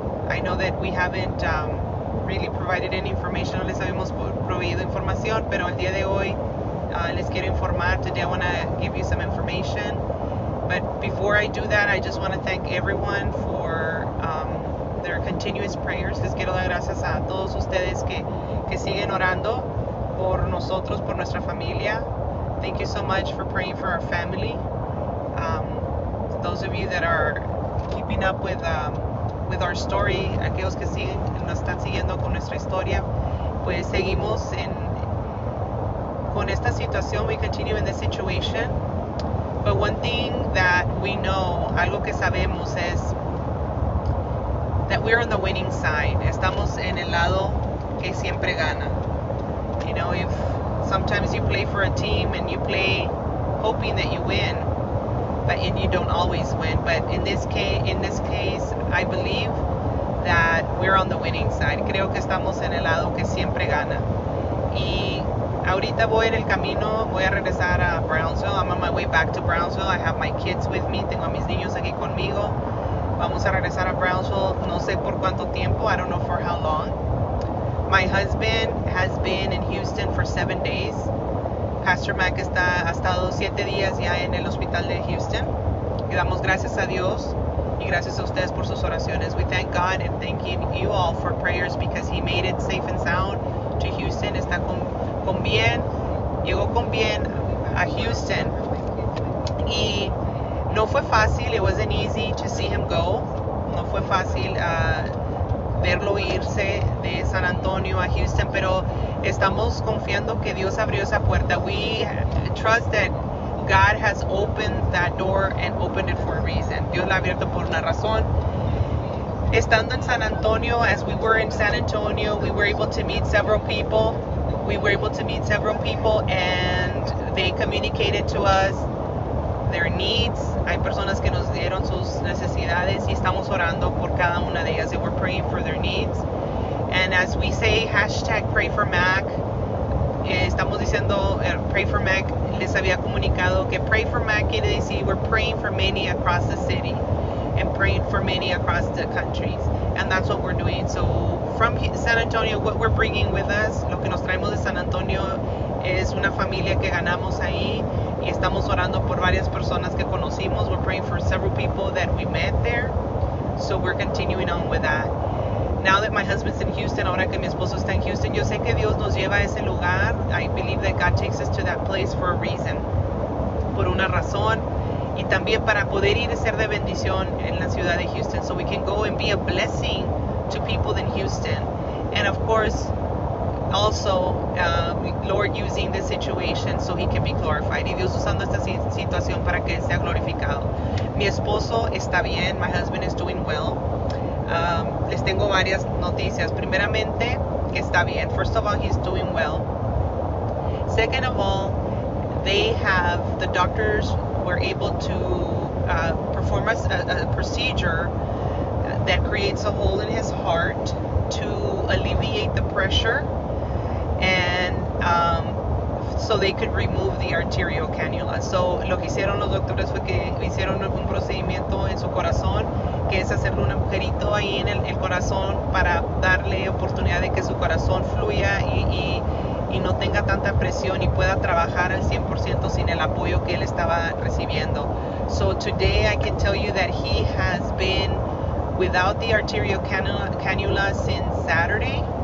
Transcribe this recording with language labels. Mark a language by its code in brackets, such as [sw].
[en] I know that we haven't really provided any information. [es] No les habíamos proveído información, pero el día de hoy les quiero informar. [en] Today I want to give you some information. But before I do that, I just want to thank everyone for their continuous prayers. [es] Les quiero dar gracias a todos ustedes que siguen orando por nosotros, por nuestra familia. [en] Thank you so much for praying for our family. Those of you that are keeping up with our story, [es] aquellos que siguen, nos están siguiendo con nuestra historia, pues seguimos en con esta situación. [en] We continue in this situation. But one thing that we know, [es] algo que sabemos es [en] that we're on the winning side. [es] Estamos en el lado que siempre gana. [en] You know, if sometimes you play for a team and you play hoping that you win, but and you don't always win. But in this case, I believe that we're on the winning side. [es] Creo que estamos en el lado que siempre gana. Y ahorita voy en el camino, voy a regresar a Brownsville. [en] I'm on my way back to Brownsville. I have my kids with me. [es] Tengo a mis niños aquí conmigo. Vamos a regresar a Brownsville, no sé por cuánto tiempo, [en] I don't know for how long. My husband has been in Houston for 7 days. [es] Pastor Mac ha estado 7 días ya en el hospital de Houston. Y damos gracias a Dios y gracias a ustedes por sus oraciones. [en] We thank God and thanking you all for prayers because he made it safe and sound to Houston. [es] Está con bien, llegó con bien a Houston. Y no fue fácil, [en] it wasn't easy to see him go. [es] No fue fácil verlo irse de San Antonio a Houston, pero estamos confiando que Dios abrió esa puerta. [en] We trust that God has opened that door and opened it for a reason. [es] Dios la ha abierto por una razón. Estando en San Antonio, [en] as we were in San Antonio, we were able to meet several people. We were able to meet several people and they communicated to us their needs. [es] Hay personas que nos dieron sus necesidades y estamos orando por cada una de ellas. [en] They were praying for their needs. And as we say, hashtag pray for Mac, [es] estamos diciendo [en] pray for Mac. [es] Les había comunicado que [en] pray for Mac [es] quiere decir [en] we're praying for many across the city and praying for many across the countries. And that's what we're doing. So from San Antonio, what we're bringing with us, [es] lo que nos traemos de San Antonio es una familia que ganamos ahí. Y estamos orando por varias personas que conocimos. [en] We're praying for several people that we met there. So we're continuing on with that. Now that my husband's in Houston, [es] ahora que mi esposo está en Houston, yo sé que Dios nos lleva a ese lugar. [en] I believe that God takes us to that place for a reason. [es] Por una razón. Y también para poder ir y ser de bendición en la ciudad de Houston. [en] So we can go and be a blessing to people in Houston. And of course, also, Lord using this situation so he can be glorified. [es] Y Dios usando esta situación para que sea glorificado. Mi esposo está bien. [en] My husband is doing well. [es] Les tengo varias noticias. Primeramente, que está bien. [en] First of all, he's doing well. Second of all, the doctors were able to perform a procedure that creates a hole in his heart to alleviate the pressure. And so they could remove the arterial cannula. [es] So lo que hicieron los doctores fue que hicieron un procedimiento en su corazón, que es hacerle un agujerito ahí en el corazón para darle oportunidad de que su corazón fluya y no tenga tanta presión y pueda trabajar al 100% sin el apoyo que él estaba recibiendo. [en] So today I can tell you that he has been without the arterial cannula since Saturday.